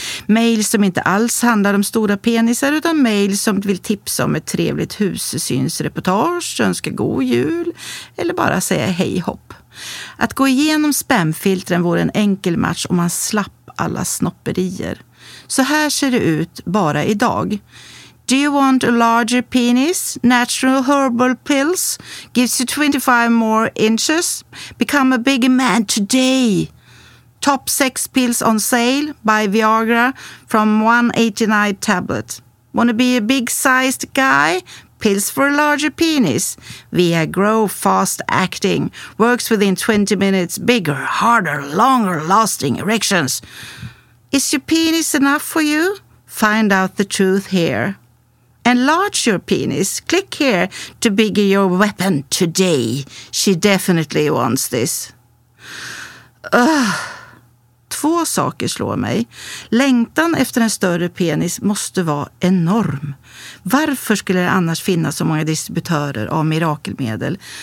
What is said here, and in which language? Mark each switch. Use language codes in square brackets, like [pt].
[sv] Mail som inte alls handlar om stora penisar utan mail som vill tipsa om ett trevligt husesynsreportage, önska god jul eller bara säga hej hopp. Att gå igenom spamfiltren vore en enkel match om man slapp alla snopperier. Så här ser det ut bara idag. [en] Do you want a larger penis? Natural herbal pills gives you 25 more inches. Become a bigger man today. Top 6 pills on sale by Viagra from 189 tablet. Wanna be a big sized guy? Pills for a larger penis. Viagra fast acting. Works within 20 minutes. Bigger, harder, longer lasting erections. Is your penis enough for you? Find out the truth here. Enlarge your penis. Click here to bigger your weapon today. She definitely wants this. [sv] Ugh. Två saker slår mig. Längtan efter en större penis måste vara enorm. Varför skulle det annars finnas så många distributörer av mirakelmedel?